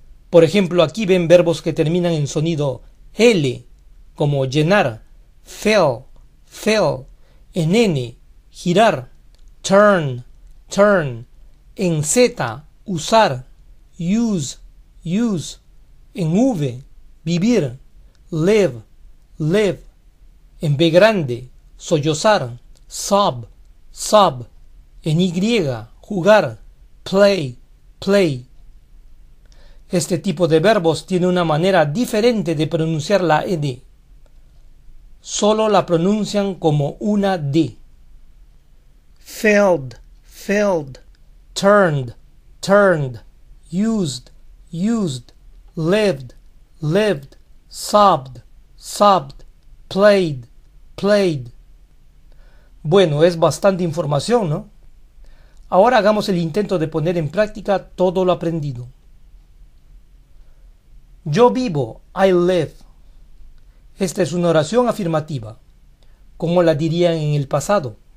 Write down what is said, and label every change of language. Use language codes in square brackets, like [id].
[es] Por ejemplo, aquí ven verbos que terminan en sonido L, como llenar, fill, fill, en N, girar, turn, turn, en Z, usar, use, use, en V, vivir, live, live, en B grande, sollozar, sob, sob, en Y, jugar, play, play. Este tipo de verbos tiene una manera diferente de pronunciar la ED. Solo la pronuncian como una D. Filled, filled, turned, turned, used, used, lived, lived, sobbed, sobbed, played, played. Bueno, es bastante información, ¿no? Ahora hagamos el intento de poner en práctica todo lo aprendido. Yo vivo, [en] I live. [es] Esta es una oración afirmativa, como la dirían en el pasado.